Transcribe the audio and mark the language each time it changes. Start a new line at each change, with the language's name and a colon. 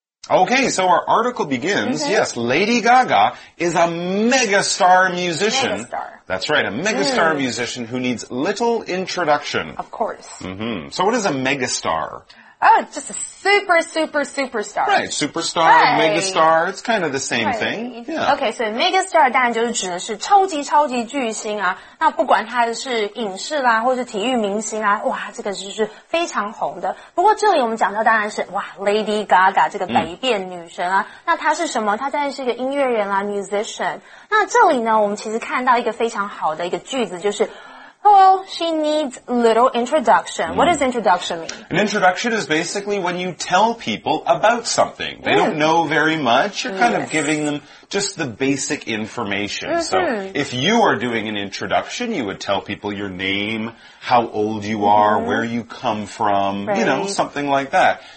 English: Okay, so our article begins. Okay. Yes, Lady Gaga is a megastar musician. Megastar. That's right, a megastar musician who needs little introduction. Of course. Mm-hmm. So what is a megastar? Oh, it's just a super, super, superstar. Right, superstar, megastar, it's kind of the same thing. Yeah. Okay, so
Chinese: megastar 当然就是指的是超级超级巨星啊。那不管他是影视啦，或是体育明星啊，哇，这个就是非常红的。不过这里我们讲到当然是哇 ，Lady Gaga 这个百变女神啊。那她是什么？她当然是一个音乐人啦 ，musician。那这里呢，我们其实看到一个非常好的一个句子，就是。
English: Well, she needs little introduction. What does introduction mean? An introduction is basically when you tell people about something. They don't know very much. You're kind of giving them just the basic information. Mm-hmm. So if you are doing an introduction, you would tell people your name, how old you are, where you come from, you know, something like that.